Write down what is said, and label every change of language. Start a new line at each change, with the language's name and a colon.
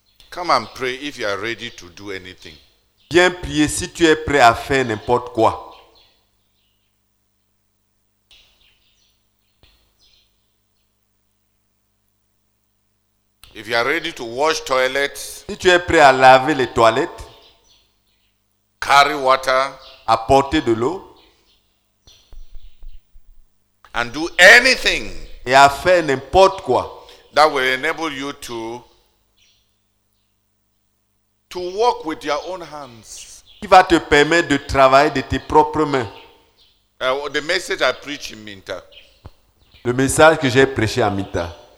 English: come and pray if you are ready to do anything.
French: Viens prier si tu es prêt à faire n'importe quoi.
English: If you are ready to wash toilets,
French: si tu es prêt à laver les toilettes,
English: carry water,
French: apporter de l'eau,
English: and do anything,
French: et à faire n'importe quoi,
English: that will enable you to work with your own hands,
French: qui va te permettre de travailler de tes propres mains.
English: The message I preach in Minta.
French: Le message que j'ai prêché à Minta.